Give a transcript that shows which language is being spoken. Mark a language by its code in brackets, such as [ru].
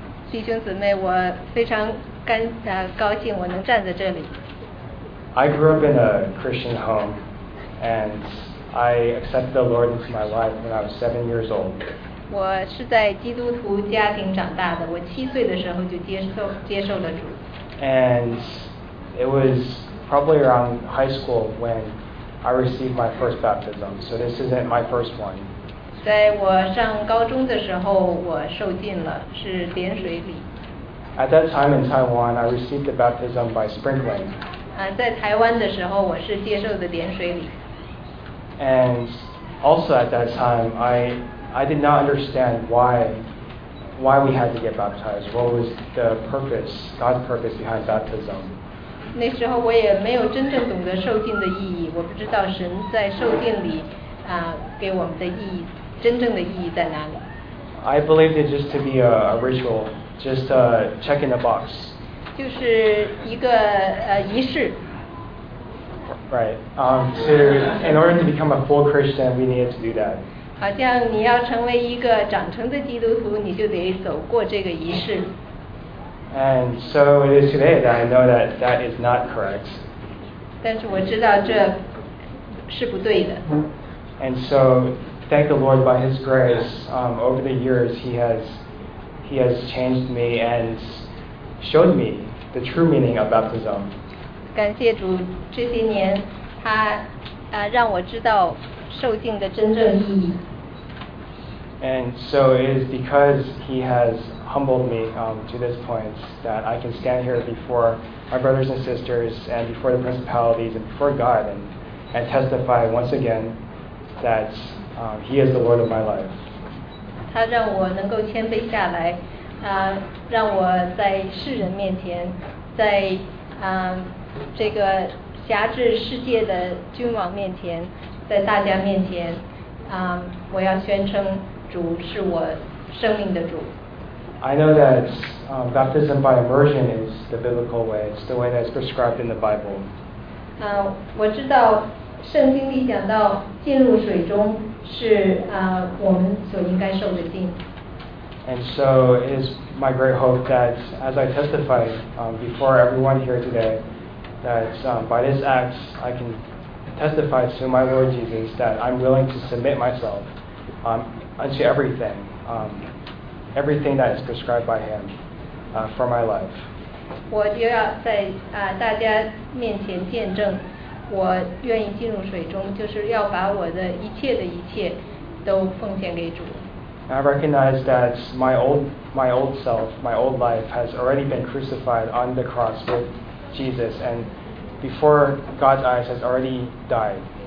[zh] 弟兄姊妹，我非常高兴我能站在这里。 [en] I grew up in a Christian home, and I accepted the Lord into my life when I was 7 years old. [zh] 我是在基督徒家庭长大的，我七岁的时候就接受了主。 [en] And it was probably around high school when I received my first baptism. So this isn't my first one. [zh] 在我上高中的时候，我受浸了，是点水礼。 [en] At that time in Taiwan, I received the baptism by sprinkling. [zh] 在台湾的时候，我是接受的点水礼。 [en] And also at that time, I did not understand why we had to get baptized. What was the purpose, God's purpose behind baptism? [zh] 那时候我也没有真正懂得受浸的意义，我不知道神在受浸里给我们的意义，真正的意义在哪里。 [en] I believed it just to be a ritual, just a check in the box. [zh] 就是一个仪式。 [en] Right. So in order to become a full Christian, we needed to do that. [zh] 好像你要成为一个长成的基督徒，你就得走过这个仪式。 [en] And so it is today that I know that that is not correct. [zh] 但是我知道这是不对的。 [en] And so, thank the Lord by His grace. Over the years, He has changed me and showed me the true meaning of baptism. [zh] 感谢主，这些年他让我知道受浸的真正意义。 [en] And so it is because he has humbled me to this point that I can stand here before my brothers and sisters and before the principalities and before God and testify once again that he is the Lord of my life. [zh] 他让我能够谦卑下来，让我在世人面前，在这个辖制世界的君王面前，在大家面前，我要宣称主是我生命的主。 [en] I know that baptism by immersion is the biblical way. It's the way that's prescribed in the Bible. [zh] 我知道圣经里讲到浸入水中是我们所应该受的浸。 [en] And so it is my great hope that as I testify before everyone here today. That by this act, I can testify to my Lord Jesus that I'm willing to submit myself unto everything, everything that is prescribed by Him for my life. [zh] 我就要在大家面前见证，我愿意进入水中，就是要把我的一切的一切都奉献给主。 [en] I recognize that my old self, my old life has already been crucified on the cross with. Jesus and before God's eyes has already died.